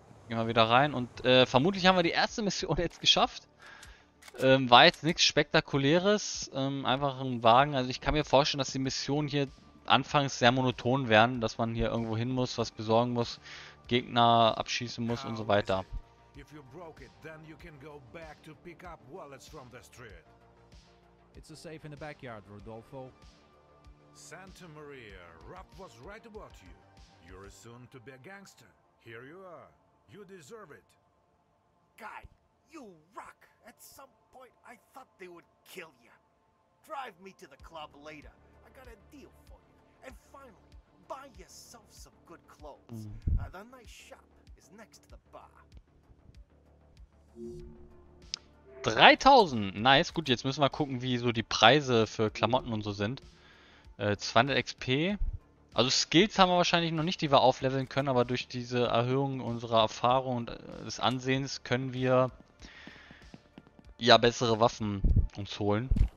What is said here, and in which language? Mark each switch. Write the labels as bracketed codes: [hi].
[de] Gehen wir wieder rein und vermutlich haben wir die erste Mission jetzt geschafft. War jetzt nichts Spektakuläres. Einfach ein Wagen. Also ich kann mir vorstellen, dass die Missionen hier anfangs sehr monoton werden, dass man hier irgendwo hin muss, was besorgen muss, Gegner abschießen muss und so weiter. [en] If you broke it, then you can go back to pick up wallets from the street. It's a safe in the backyard, Rodolfo. Santa Maria, Rob was right about you. You're soon to be a gangster. Here you are. You deserve it. Guy, you rock. At some point, I thought they would kill you. Drive me to the club later. I got a deal for you. And finally, buy yourself some good clothes. The nice shop is next to the bar. 3000, nice. [de] Gut, jetzt müssen wir gucken, wie so die Preise für Klamotten und so sind. 200 XP. Also Skills haben wir wahrscheinlich noch nicht, die wir aufleveln können, aber durch diese Erhöhung unserer Erfahrung und des Ansehens können wir ja bessere Waffen uns holen.